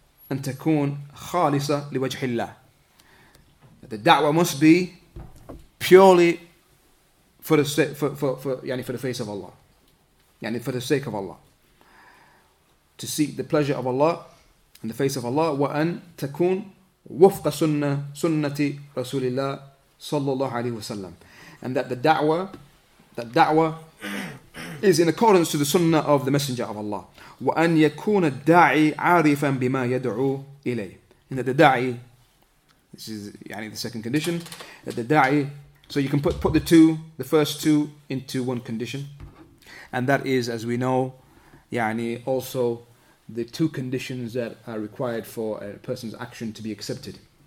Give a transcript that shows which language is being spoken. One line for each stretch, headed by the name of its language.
Arabic: أن تكون خالصة لوجه الله.
English: The da'wah must be purely for the face of Allah. يعني for the sake of Allah. To seek the pleasure of Allah and the face of Allah.
Arabic: وأن تكون وفق سنة رسول الله صلى الله عليه وسلم.
English: And that the da'wah is in accordance to the sunnah of the Messenger of Allah.
Arabic: وأن يكون الداعي عارفا بما يدعو إليه.
English: And that the da'i, this is يعني the second condition, that the da'i, so you can put the first two into one condition. And that is, as we know, يعني also the two conditions that are required for a person's action to be accepted.